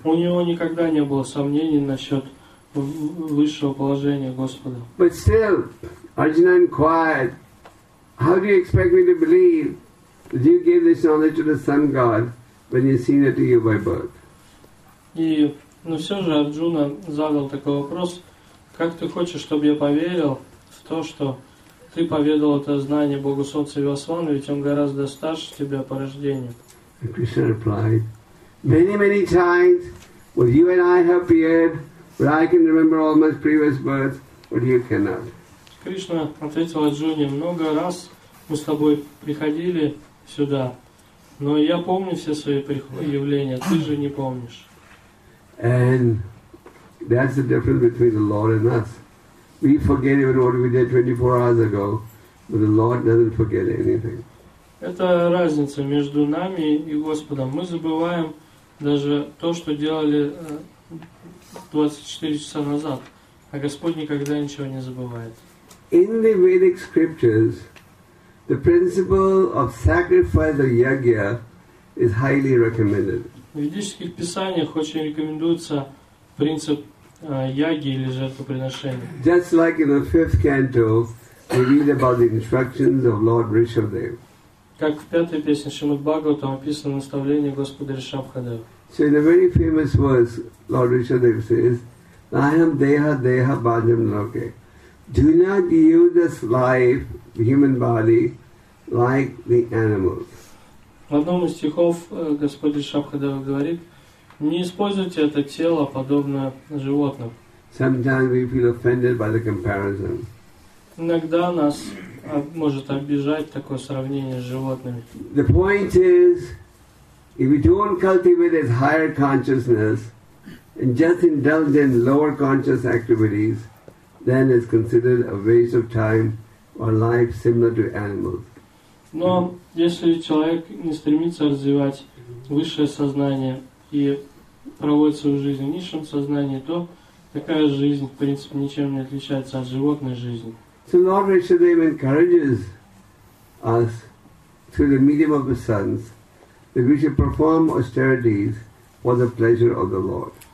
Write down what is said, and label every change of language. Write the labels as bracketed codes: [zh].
[ru] У него никогда не было сомнений насчет высшего положения Господа. [en] But still, Arjuna inquired, "How do you expect me to believe that you gave this knowledge to the sun god when you've seen it to you by birth?" [ru] Но все же Арджуна задал такой вопрос: как ты хочешь, чтобы я поверил в то, что ты поведал это знание Богу Солнца Вивасвану, ведь он гораздо старше тебя по рождению? [en] And Krishna replied, "Many, many times when you and I have appeared, but I can remember all my previous births, but you cannot." [ru] Кришна ответил Арджуне: много раз мы с тобой приходили сюда, но я помню все свои явления, ты же не помнишь. [en] And that's the difference between the Lord and us. We forget even what we did 24 hours ago, but the Lord doesn't forget anything. [ru] Это разница между нами и Господом. Мы забываем даже то, что делали 24 часа назад, а Господь никогда ничего не забывает. [en] In the Vedic scriptures, the principle of sacrifice of yajna is highly recommended. [ru] В ведических писаниях очень рекомендуется принцип яги или жертвоприношения. [en] Just like in the fifth canto, we read about the instructions of Lord Rishabhadev. [ru] Как в пятой песне Шримад Бхагаватам описано наставление Господа Ришабхадева. [en] So in a very famous verse, Lord Rishabhadev says, "I am deha deha bhajam loke. Do not use this life, human body, like the animals." [ru] В одном из стихов Господь Ришабхадева говорит: не используйте это тело подобно животным. [en] Sometimes we feel offended by the comparison. [ru] Иногда нас может обижать такое сравнение с животными. [en] The point is, if we don't cultivate this higher consciousness and just indulge in lower conscious activities, then it's considered a waste of time or life similar to animals. [ru] Но если человек не стремится развивать высшее сознание и проводит свою жизнь в низшем сознании, то такая жизнь, в принципе, ничем не отличается от животной жизни. [en] So Lord Rishabhadev encourages us through the medium of the sons that we should perform austerities for the pleasure of the Lord.